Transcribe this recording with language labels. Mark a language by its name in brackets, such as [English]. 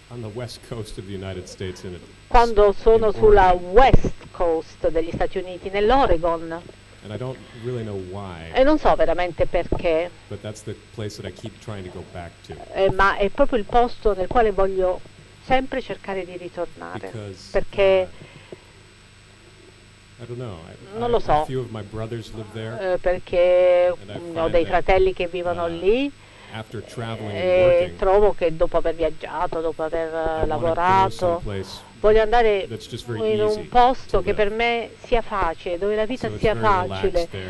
[English] On the west coast of the United States in it. [Italian] Quando sono sulla west coast degli Stati Uniti, nell'Oregon. [English] And I don't really know why. [Italian] E non so veramente perché. [English] But that's the place that I keep trying to go back to. [Italian] Ma è proprio il posto nel quale voglio sempre cercare di ritornare. [English] Because, [Italian] perché [English] I don't know. [Italian] Non lo so. [English] A few of my brothers live there. [Italian] Perché ho dei fratelli che vivono lì. [English] After traveling [Italian] e trovo che dopo aver viaggiato, dopo aver lavorato, voglio andare in un posto che per me sia facile, dove la vita sia facile.